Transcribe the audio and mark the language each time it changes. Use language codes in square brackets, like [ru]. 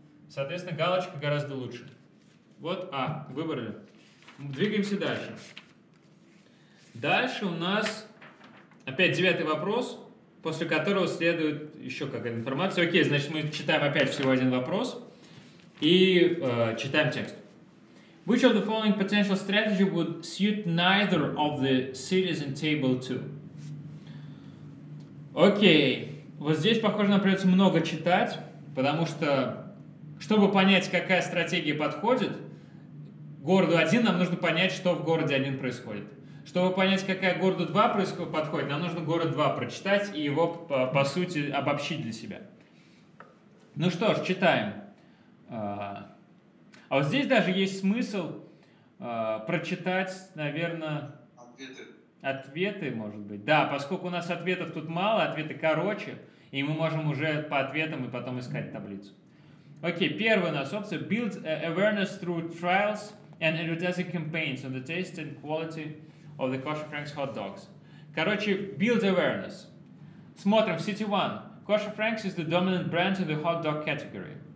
[ru] Соответственно, галочка гораздо лучше. Вот, выбрали. Двигаемся дальше. Дальше у нас опять девятый вопрос, после которого следует еще какая-то информация. Окей, значит, мы читаем опять всего один вопрос и читаем текст. [en] Which of the following potential strategy would suit neither of the cities in table 2? [ru] Окей, вот здесь, похоже, нам придется много читать, потому что, чтобы понять, какая стратегия подходит городу 1, нам нужно понять, что в городе 1 происходит. Чтобы понять, какая городу 2 подходит, нам нужно город 2 прочитать и его, по сути, обобщить для себя. Ну что ж, читаем. А вот здесь даже есть смысл прочитать, наверное... Ответы, может быть. Да, поскольку у нас ответов тут мало, ответы короче, и мы можем уже по ответам и потом искать таблицу. Окей, первая у нас опция. [en] Build awareness through trials and advertising campaigns on the taste and quality of the Kosher Frank's hot dogs. [ru] Короче, build awareness. Смотрим, City 1. [en] Kosher Frank's is the dominant brand in the hot dog category.